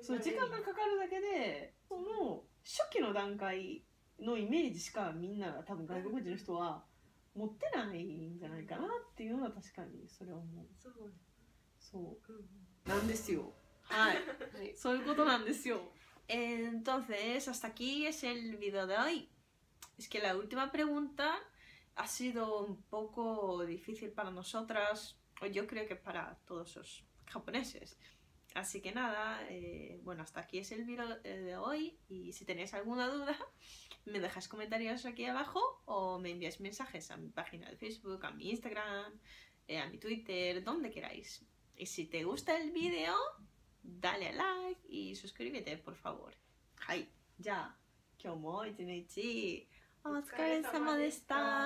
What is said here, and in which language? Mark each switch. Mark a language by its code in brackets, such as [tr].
[ja] そう、時間がかかるだけで、その初期の段階のイメージしかみんなが多分外国人の人は持ってないんじゃないかなっていうのは確かにそれは思う、そう、そう、うん、なんですよ、はい、そういうことなんですよ。 [es] Entonces, hasta aquí es el video de hoy. Es que la última pregunta ha sido un poco difícil para nosotras, o yo creo que para todos los japoneses. Así que nada, bueno, hasta aquí es el video de hoy. Y si tenéis alguna duda, me dejáis comentarios aquí abajo o me enviáis mensajes a mi página de Facebook, a mi Instagram, a mi Twitter, donde queráis. Y si te gusta el video, dale a like y suscríbete, por favor. [ja] はい、じゃあ今日も一日お疲れ様でした。